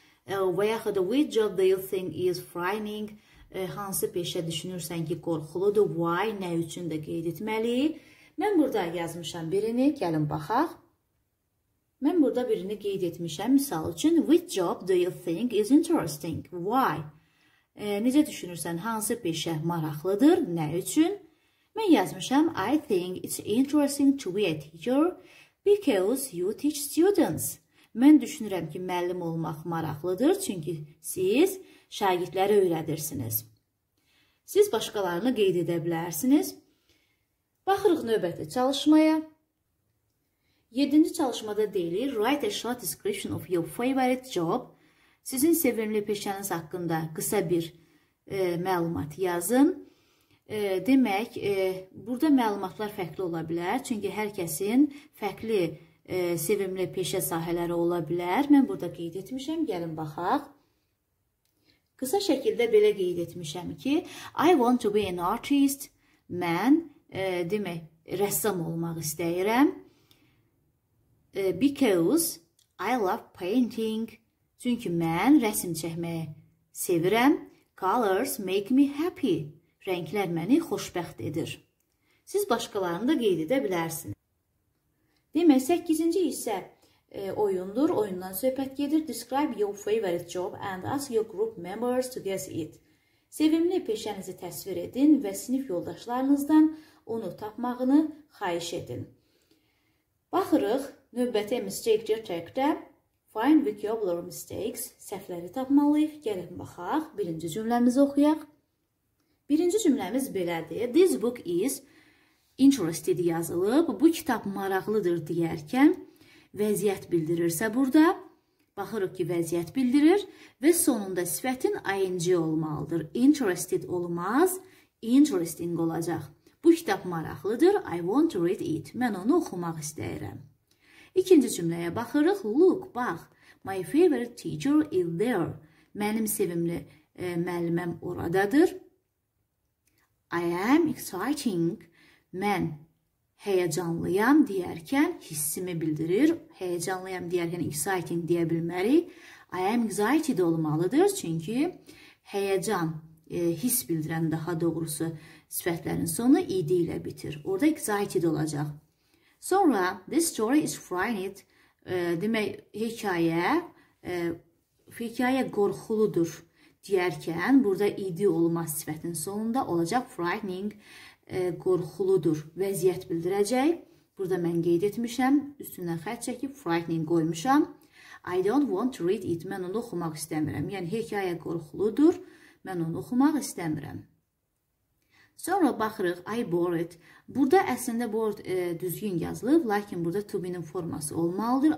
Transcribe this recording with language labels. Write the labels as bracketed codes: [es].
[az] Və yaxud [en] which job do you think is frightening, [az] hansı peşə düşünürsən ki, qorxuludur, why, nə üçün də qeyd etməli. Mən burada yazmışam birini, gəlin baxaq. Mən burada birini qeyd etmişəm, misal üçün, [en] which job do you think is interesting, why? [az] Necə düşünürsən, hansı peşə maraqlıdır, nə üçün? Mən yazmışam, [en] I think it's interesting to be a teacher because you teach students. [az] Mən düşünürəm ki, müəllim olmaq maraqlıdır, çünki siz şagirdləri öyrədirsiniz. Siz başqalarını qeyd edə bilərsiniz. Baxırıq növbəti çalışmaya. 7-ci çalışmada deyilir. [en] Write a short description of your favorite job. [az] Sizin sevimli peşəniz haqqında qısa bir məlumat yazın. Demək, burada məlumatlar fərqli ola bilər. Çünki hər kəsin fərqli sevimli peşə sahələri ola bilər. Mən burada qeyd etmişəm. Gəlin baxaq. Qısa şəkildə belə qeyd etmişəm ki, [en] I want to be an artist. [az] Mən, demək, rəssam olmaq istəyirəm. Because I love painting. Çünki mən rəsim çəkməyə sevirəm. [en] Colors make me happy. [az] Rənglər məni xoşbəxt edir. Siz başqalarını da qeyd edə bilərsiniz. Demək, 8-ci hissə oyundur, oyundan söhbət gedir. [en] Describe your favorite job and ask your group members to guess it. [az] Sevimli peşənizi təsvir edin və sinif yoldaşlarınızdan onu tapmağını xahiş edin. Baxırıq növbəti mistake detectə. [en] Find vocabulary mistakes. [az] Səhvləri tapmalıyıq. Gəlin baxaq. Birinci cümləmizi oxuyaq. Birinci cümləmiz belədir. [en] This book is interested [az] yazılıb. Bu kitab maraqlıdır deyərkən vəziyyət bildirirsə burada. Baxırıq ki, vəziyyət bildirir. Və sonunda sifətin ing olmalıdır. Interested olmaz. Interesting olacaq. Bu kitab maraqlıdır. [en] I want to read it. [az] Mən onu oxumaq istəyirəm. İkinci cümləyə baxırıq. Look, bax. [en] My favorite teacher is there. [az] Mənim sevimli müəlliməm oradadır. [en] I am exciting. [az] Mən həyəcanlıyam deyərkən hissimi bildirir. Həyəcanlıyam deyərkən exciting deyə bilməli. I am excited olmalıdır. Çünki həyəcan his bildirən daha doğrusu sifətlərin sonu ed ilə bitir. Orada excited olacaq. [en] Sonra this story is frightened. [az] Demək hekayə hekayə qorxuludur deyərkən burada ed olmaz sifətin sonunda olacaq frightening. Qorxuludur. Vəziyyət bildirəcək. Burada mən qeyd etmişəm. Üstündən xətt çəkib frightening qoymuşam. [en] I don't want to read it. [az] Mən onu oxumaq istəmirəm. Yəni hekayə qorxuludur. Mən onu oxumaq istəmirəm. Sonra baxırıq. [en] I bought it. [az] Burada əslində bought düzgün yazılıb. Lakin burada to be-nin forması olmalıdır.